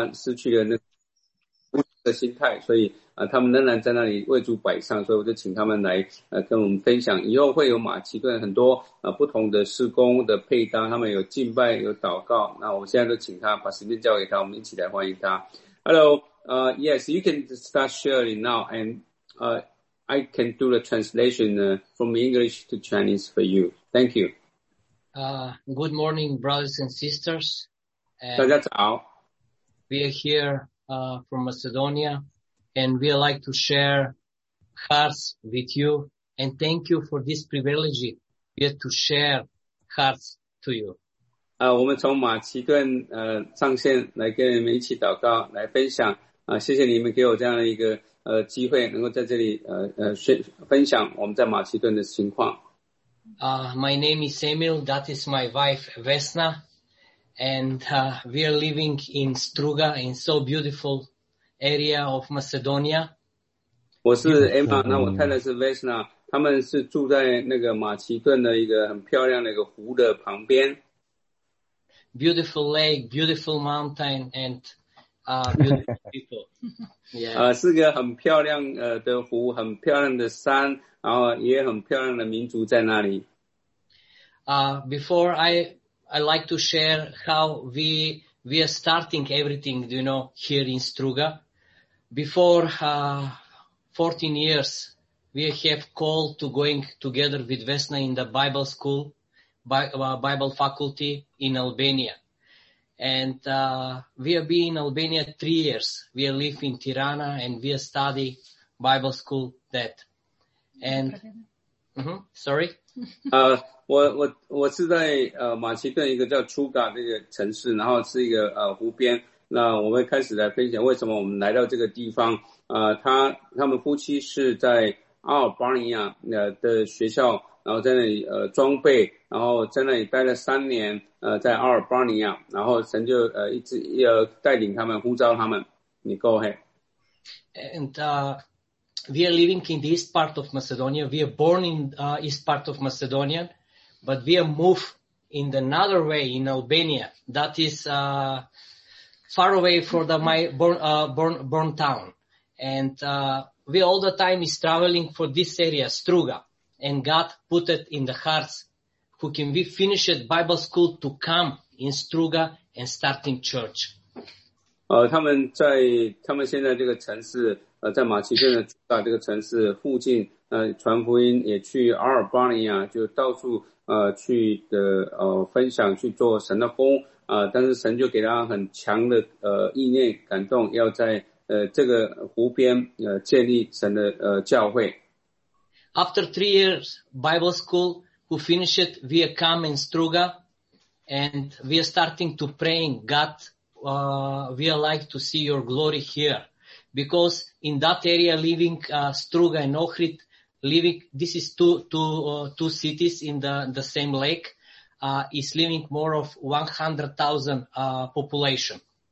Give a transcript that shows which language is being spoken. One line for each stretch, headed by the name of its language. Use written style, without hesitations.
Chinese: 失去了那个的心态，所以他们仍然在那里为主摆上，所以我就请他们来跟我们分享。以后会有马其顿很多不同的事工的配搭，他们有敬拜有祷告，那我现在就请他把时间交给他，我们一起来欢迎他。
English: Hello, yes, you can start sharing now and I can do the translation from English to Chinese for you. Thank you. Good morning, brothers and sisters.
Chinese: And 大家早。
English: We are here from Macedonia, and we would like to share hearts with you, and thank you for this privilege here to share hearts to you.
Chinese: 我们从马其顿上线来跟你们一起祷告，来分享谢谢你们给我这样的一个机会，能够在这里分享我们在马其顿的情况。
English: My name is Emil, that is my wife Vesna, and we are living in Struga, in so beautiful area of Macedonia.
Chinese: 我是 Emma, 那我太太是 Vesna, 他们是住在那个马其顿的一个很漂亮的一个湖的旁边。
English: Beautiful lake, beautiful mountain, and beautiful people.
Chinese: 是个很漂亮的湖，很漂亮的山，然后也很漂亮的民族在那里。
English: Before I like to share how we are starting everything, you know, here in Struga. Before 14 years, we have called to going together with Vesna in the Bible school, Bible faculty in Albania. And we have been in Albania 3 years. We live in Tirana and we study Bible school that. And, sorry?
Chinese: 我是在马其顿一个叫 Truga 这个城市，然后是一个湖边。那我们开始来分享为什么我们来到这个地方。他们夫妻是在阿尔巴尼亚的学校，然后在那里装备，然后在那里待了3年，在阿尔巴尼亚，然后神就一直带领他们，呼召他们。
English: 你 go ahead. And we are living in the east part of Macedonia. We are born in east part of Macedonia, but we are moved in another way in Albania. That is far away from my born town. And we all the time is traveling for this area, Struga. And God put it in the hearts who can we finish at Bible school to come in Struga and start in church.
Chinese: 他们现在这个城市在马其顿的这个城市附近传福音，也去阿尔巴尼亚，就到处去的分享，去做神的工但是神就给他很强的意念感动，要在这个湖边建立神的教会。
English: After 3 years Bible school, who finished it, we come in Struga, and we are starting to praying, God, we are like to see your glory here. Because in that area living, Struga and Ohrid, living, this is two cities in the same lake, is living more of 100,000, population.